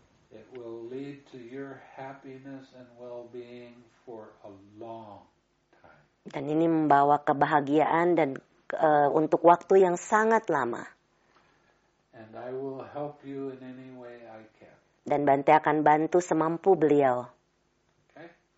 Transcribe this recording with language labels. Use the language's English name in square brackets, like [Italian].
[English] It will lead to your happiness and well-being for a long time. [Indonesian] Dan ini membawa kebahagiaan dan untuk waktu yang sangat lama. [English] And I will help you in any way I can. [Indonesian] Dan Bante akan bantu semampu beliau. [English] Okay.